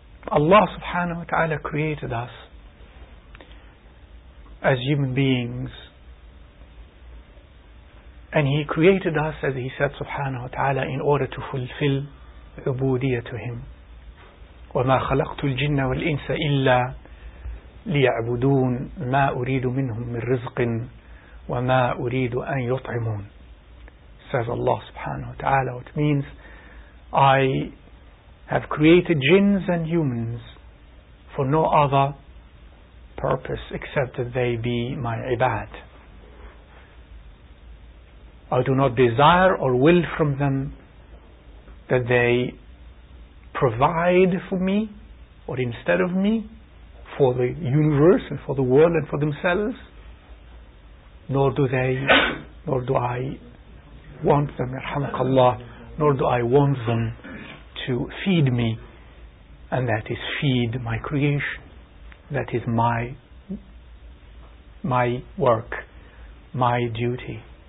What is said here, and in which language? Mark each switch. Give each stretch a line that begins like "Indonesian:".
English: Allah subhanahu wa ta'ala created us as human beings And He created us, as He said, subhanahu wa ta'ala, in order to fulfill ubudiyyah to Him.
Arabic: وَمَا خَلَقْتُ الْجِنَّ وَالْإِنسَ إِلَّا لِيَعْبُدُونَ مَا أُرِيدُ مِنْهُمْ مِنْ رِزْقٍ وَمَا أُرِيدُ أَنْ يُطْعِمُونَ,
English: says
Arabic: Allah subhanahu wa ta'ala.
English: It means, I have created jinns and humans for no other purpose except that they be my ibad. I do not desire or will from them that they provide for me or instead of me for the universe and for the world and for themselves, nor do I want them, yarhamakallah, nor do I want them to feed me, and that is feed my creation, that is my work, my duty.